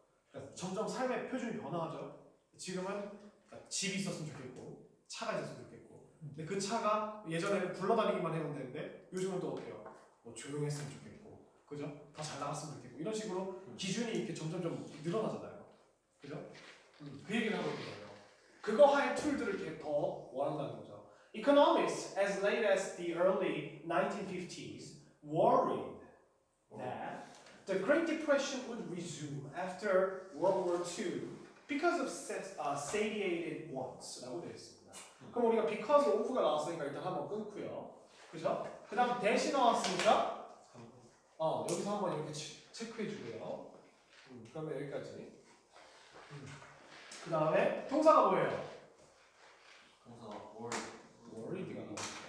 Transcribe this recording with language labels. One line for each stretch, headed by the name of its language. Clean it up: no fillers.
Korean: 그러니까 점점 삶의 표준이 변화하죠. 지금은 그러니까 집이 있었으면 좋겠고 차가 있었으면 좋겠고 근데 그 차가 예전에는 굴러다니기만 해도 되는데 요즘은 또 어때요? 뭐 조용했으면 좋겠고 그죠? 더 잘 나갔으면 좋겠고 이런 식으로 기준이 이렇게 점점점 늘어나잖아요. 그죠? 그 얘기를 하고 있는 거예요. 그거 할 툴들을 이렇게 더 원한다는 거죠.
English: Economists as late as the early 1950s worried that the Great Depression would resume after World War II because of satiated wants.
Korean: 라고 되어 있습니다. 그럼 우리가 because of가 나왔으니까 일단 한번 끊고요. 그죠? 그 다음 that이 나왔으니까 여기서 한번 이렇게 체크해 주고요. 그러면 여기까지. 그 다음에 동사가 뭐예요? 동사가 worried. worried가 나왔어요.